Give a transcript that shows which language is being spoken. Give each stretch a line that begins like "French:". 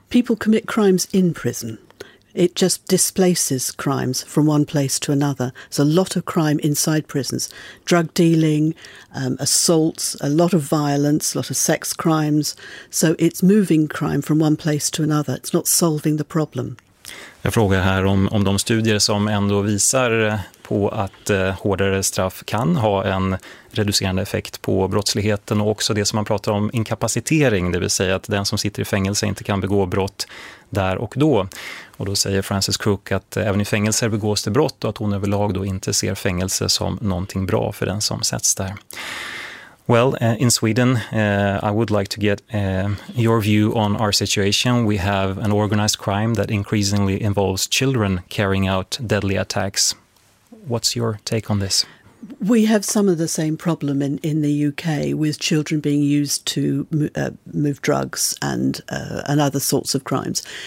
English: People commit crimes in prison. It just displaces crimes from one place to another. There's a lot of crime inside prisons. Drug dealing, assaults, a lot of violence, a lot of sex crimes. So it's moving crime from one place to another. It's not solving the problem.
Swedish: Jag frågar här om de studier som ändå visar på att hårdare straff kan ha en reducerande effekt på brottsligheten och också det som man pratar om inkapacitering, det vill säga att den som sitter i fängelse inte kan begå brott där och då. Och då säger Frances Crook att även i fängelser begås det brott och att hon överlag då inte ser fängelse som någonting bra för den som sätts där.
English: Well, in Sweden, I would like to get your view on our situation. We have an organized crime that increasingly involves children carrying out deadly attacks. What's your take on this? We have some of the same problem in the UK with children being used to move drugs and other sorts of crimes.